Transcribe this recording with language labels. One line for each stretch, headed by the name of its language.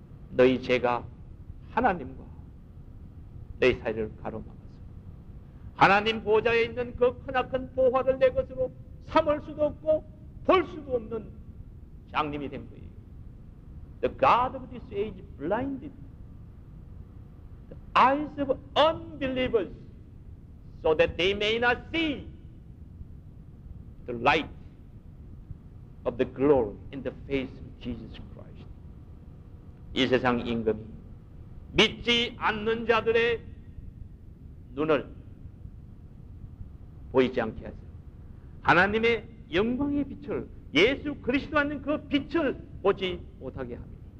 Korean: 너희 죄가 하나님과 너희 사이를 가로막아서 하나님 보좌에 있는 그 크나큰 보화를 내 것으로 삼을 수도 없고 볼 수도 없는 장님이 된 거예요.
English: The God of this age blinded the eyes of unbelievers so that they may not see the light of the glory in the face of Jesus Christ.
Korean: 이 세상 임금이 믿지 않는 자들의 눈을 보이지 않게 하세요. 하나님의 영광의 빛을 예수 그리스도 안에 그 빛을 보지 못하게 합니다.